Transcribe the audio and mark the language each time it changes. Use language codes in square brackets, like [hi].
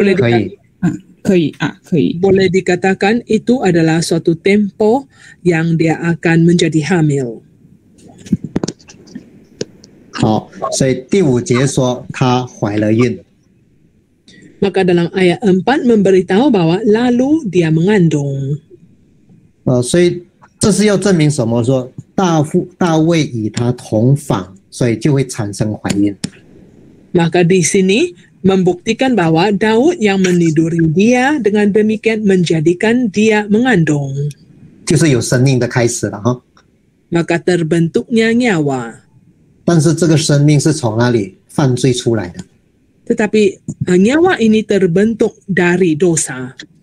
[ms] Biasanya itu [zh] 算是一个可以怀孕的时候啦，就是可以啊，可以啊，可以。 [ms] Boleh dikatakan itu adalah suatu tempo yang dia akan menjadi hamil. [zh] 好，所以第五节说她怀了孕。 [ms] Maka dalam ayat 4 memberitahu bahwa lalu dia mengandung. [zh] 所以这是要证明什么？说大卫与她同房，所以就会产生怀孕。 [ms] Maka di sini membuktikan bahwa Daud yang meniduri dia dengan demikian menjadikan dia mengandung. [zh] 就是有生命的开始了哈。 [ms] Maka terbentuknya nyawa. [zh] 但是这个生命是从哪里犯罪出来的？ [ms] Tetapi nyawa ini terbentuk dari dosa.